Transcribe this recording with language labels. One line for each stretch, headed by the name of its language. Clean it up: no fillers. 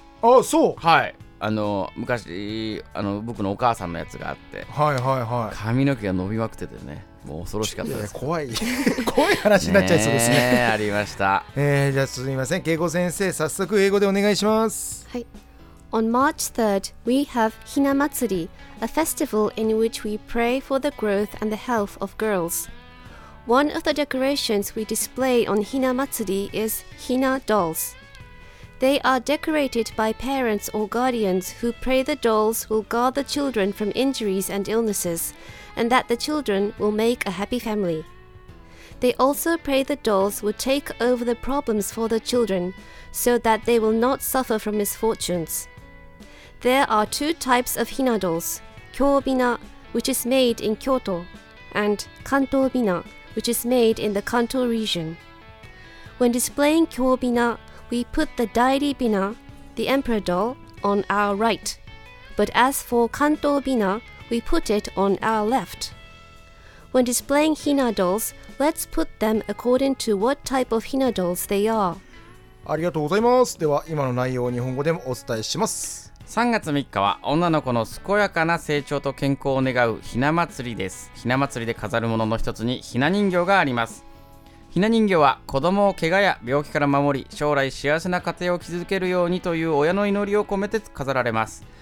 Japanese: あ、そう、はい、あの昔、あの僕のお母さんのやつがあって、はいはいはい、髪の毛が伸びまくっててね、もう恐ろしかったです。いや、怖い怖い話になっちゃいそうですね。ありました。じゃあ、すみません、恵子先生、早速英語でお願いします。はい。
English: On March 3rd, we have Hina Matsuri, a festival in which we pray for the growth and the health of girls. One of the decorations we display on Hina Matsuri is Hina dolls. They are decorated by parents or guardians who pray the dolls will guard the children from injuries and illnesses, and that the children will make a happy family. They also pray the dolls will take over the problems for the children, so that they will not suffer from misfortunes. There are two types of hina dolls, Kyōbina, which is made in Kyoto, and Kantōbina, which is made in the Kanto region. When displaying Kyōbina, we put the Dairibina, the emperor doll, on our right. But as for Kantōbina, we put it on our left. When displaying hina dolls, let's put them according to what type of hina dolls they are.
Japanese: ありがとうございます。では、今の内容を日本語でもお伝えします。 3月3日は女の子の健やかな成長と健康を願うひな祭りです。ひな祭りで飾るものの一つにひな人形があります。ひな人形は子供を怪我や病気から守り、将来幸せな家庭を築けるようにという親の祈りを込めて飾られます。